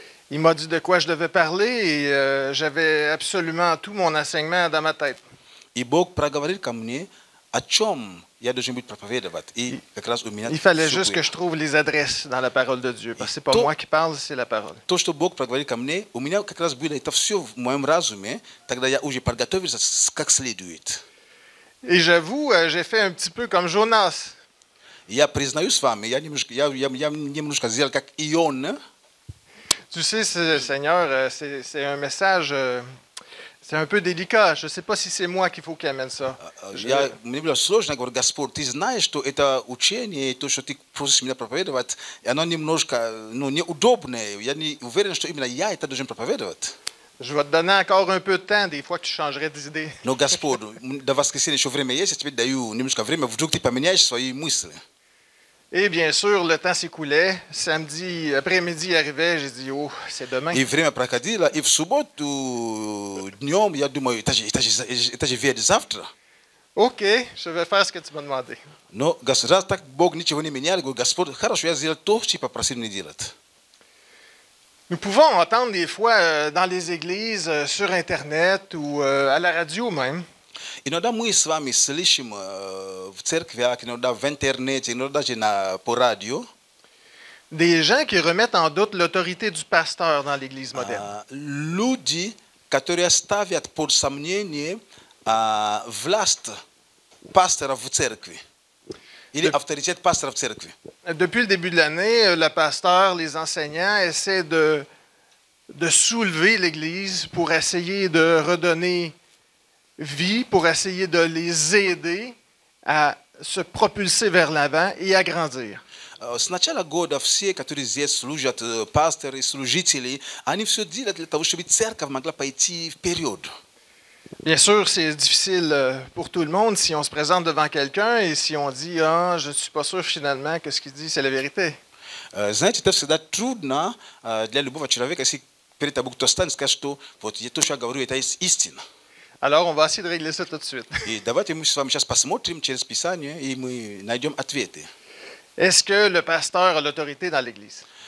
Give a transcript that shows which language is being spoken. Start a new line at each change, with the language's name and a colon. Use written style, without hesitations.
French: il m'a dit de quoi je devais parler et j'avais absolument tout mon enseignement dans ma tête.
Russian: И Бог проговорил ко мне, о чем я должен быть проповедовать. И как раз у меня.
French: Il fallait juste que je trouve les adresses dans la parole de Dieu, parce que c'est pas moi qui parle, c'est la parole.
Russian: То, что Бог проговорил ко мне, у меня как раз было это все в моем разуме, тогда я уже подготовился как следует.
French: Et j'avoue, j'ai fait un petit peu comme Jonas.
Russian: Я признаюсь вам, я немножко сделал как Ион.
French: Tu sais, Seigneur, c'est un message, C'est un peu délicat. Je ne sais pas si c'est moi qu'il faut qu'amène ça.
Russian: Я немного сложно говорю, Господь, ты знаешь, что это учение, то, что ты просишь меня проповедовать, оно немножко, ну, неудобное. Я не уверен, что именно я это должен проповедовать.
French: Je vais te donner encore un peu de temps, des fois que tu changerais d'idée.
Russian: Но Господь, до воскресенья еще время есть, я тебе даю немножко время, вдруг ты поменяешь свои мысли.
French: Et bien sûr, le temps s'écoulait. Samedi après-midi arrivait, j'ai dit, oh, c'est demain. Et vraiment,
Russian: проходило, и в субботу днем я думаю, это же ведь завтра.
French: Ok, je vais faire ce que tu m'as demandé.
Russian: Но Господь, так Бог ничего не менял, говорю, Господь, хорошо, я сделал то, что попросил меня делать.
French: Nous pouvons entendre des fois dans les églises, sur Internet ou à la radio même.
Russian: Иногда мы с вами слышим в церквях, иногда в интернете, иногда даже по радио.
French: Des gens qui remettent en doute l'autorité du pasteur dans l'Église moderne.
Russian: Люди, которые ставят под сомнение власть пастора в церкви. Или авторитет пастора в церкви.
French: Depuis le début de l'année, le pasteur, les enseignants essaient de soulever l'Église pour essayer de redonner vie, pour essayer de les aider à se propulser vers l'avant et à grandir.
Russian: С начала года все, которые здесь служат, пасторы, служители, они все делают для того, чтобы церковь могла пойти вперед.
French: Bien sûr, c'est difficile pour tout le monde si on se présente devant quelqu'un et si on dit « Ah, je ne suis pas sûr finalement que ce qu'il dit, c'est la vérité. »
Russian: Знаете, это всегда трудно для любого человека, если перед тобой кто-то встанет и скажет, что вот я то, что я говорю, это истина.
French: Alors, on va essayer de régler ça tout de suite.
Russian: И давайте мы с вами сейчас посмотрим через Писание и мы найдем ответы.
French: Est-ce que le pasteur a l'autorité dans l'Église?